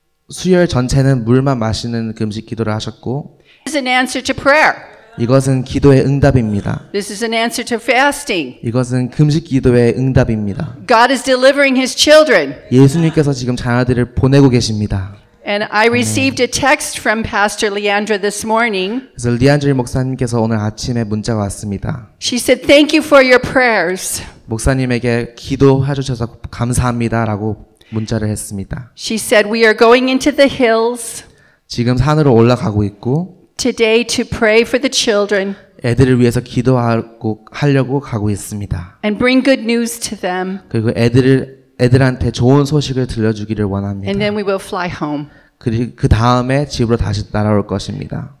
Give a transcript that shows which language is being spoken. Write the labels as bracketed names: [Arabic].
[Korean] 수요일 전체는 물만 마시는 금식 기도를 하셨고. [English] This is an answer to prayer. [Korean] 이것은 기도의 응답입니다. [English] This is an answer to fasting. [Korean] 이것은 금식 기도의 응답입니다. [English] God is delivering his children. [Korean] 예수님께서 지금 자녀들을 보내고 계십니다. [English] And I received a text from Pastor Leandra this morning. [Korean] 그래서 리안드리 목사님께서 오늘 아침에 문자가 왔습니다. [English] She said, "Thank you for your prayers." [Korean] 목사님에게 기도해 주셔서 감사합니다라고 문자를 했습니다. [English] She said, "We are going into the hills." [Korean] 지금 산으로 올라가고 있고 [English] Today to pray for the children. [Korean] 애들을 위해서 기도하고 하려고 가고 있습니다. [English] And bring good news to them. [Korean] 그리고 애들한테 좋은 소식을 들려주기를 원합니다. [English] And then we will fly home. [Korean] 그리고 그 다음에 집으로 다시 날아올 것입니다.